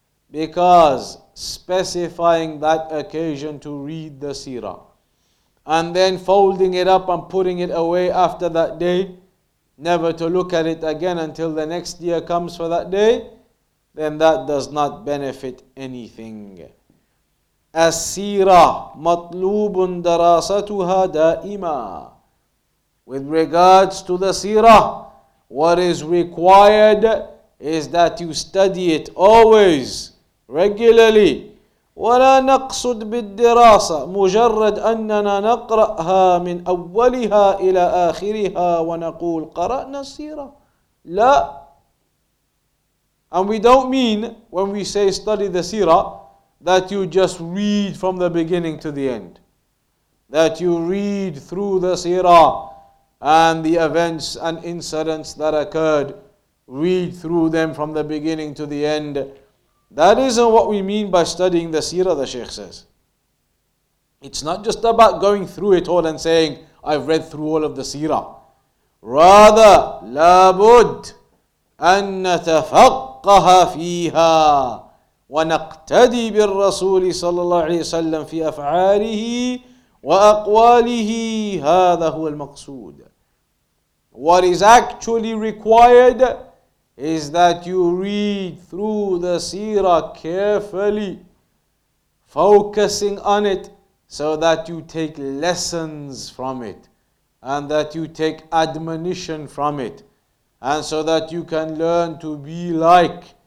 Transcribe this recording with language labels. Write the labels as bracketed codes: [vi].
[en] Because specifying that occasion to read the seerah and then folding it up and putting it away after that day, never to look at it again until the next year comes for that day, then that does not benefit anything. [ar] السِّيرَةُ مَطْلُوبٌ دَرَاسَتُهَا دَائِمًا. [en] With regards to the seerah, what is required is that you study it always, regularly. [ar] ولا نقصد بالدراسة مجرد أننا نقرأها من أولها إلى آخرها ونقول قرأنا السيرة. لا. [en] And we don't mean when we say study the seerah that you just read from the beginning to the end, that you read through the seerah and the events and incidents that occurred, read through them from the beginning to the end. That isn't what we mean by studying the seerah, the Shaykh says. It's not just about going through it all and saying, I've read through all of the seerah. Rather, [ar] لابد أن نتفقه فيها ونقتدي بالرسول صلى الله عليه وسلم في أفعاله وأقواله. هذا هو المقصود. [en] What is actually required is that you read through the seerah carefully, focusing on it so that you take lessons from it and that you take admonition from it, and so that you can learn to be like